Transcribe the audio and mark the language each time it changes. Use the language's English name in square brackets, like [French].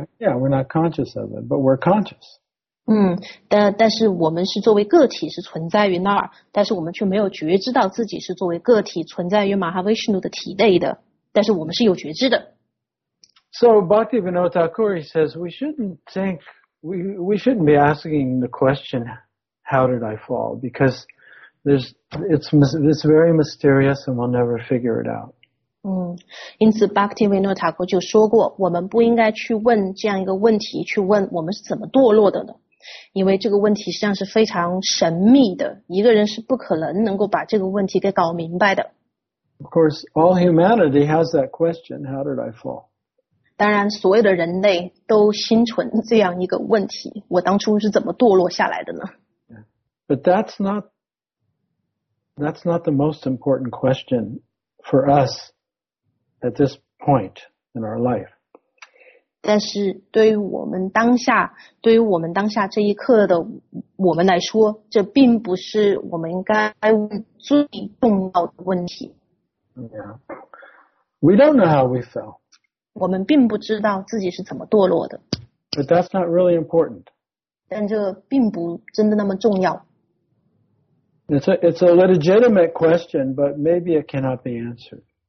[English] We're not conscious of it, but we're conscious. [Chinese] 但是我们是作为个体是存在于那儿，但是我们却没有觉知到自己是作为个体存在于 Mahavishnu 的体内的，但是我们是有觉知的。 [English] So Bhaktivinoda Thakur says we shouldn't be asking the question, how did I fall? Because it's very mysterious and we'll never figure it out. [Chinese] 因此 Bhaktivinoda Thakur 就说过，我们不应该去问这样一个问题，去问我们是怎么堕落的呢？因为这个问题实际上是非常神秘的，一个人是不可能能够把这个问题给搞明白的。 [English] Of course, all humanity has that question, how did I fall? [Chinese] 当然所有的人类都心存这样一个问题，我当初是怎么堕落下来的呢？ [English] But that's not the most important question for us at this point in our life. [Chinese] 但是对于我们当下这一刻的我们来说，这并不是我们应该问最重要的问题。 [English] Yeah. We don't know how we fell. [Chinese] 我们并不知道自己是怎么堕落的。 [English] But that's not really important. [Chinese] 但这并不真的那么重要。 [English] It's a legitimate question, but maybe it cannot be answered.